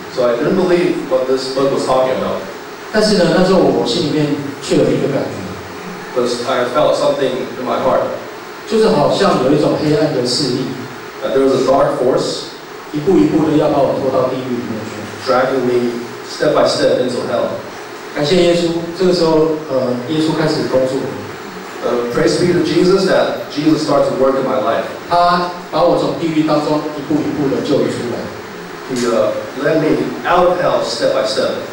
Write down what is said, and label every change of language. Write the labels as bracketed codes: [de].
[en] So I didn't believe what this book was talking about. [zh] 但是呢，那时候我心里面却有一个感觉。 [en] Because I felt something in my heart. [zh] 就是好像有一种黑暗的势力。 [en] There was a dark force. [zh] 一步一步的要把我拖到地狱里面去。 [en] Dragging me step by step into hell. [zh] 感谢耶稣，这个时候，耶稣开始工作。 [en] Praise be to Jesus that Jesus starts to work in my life. [zh] 他把我从地狱当中一步一步的救了出来。 [en] He led me out of hell step by step.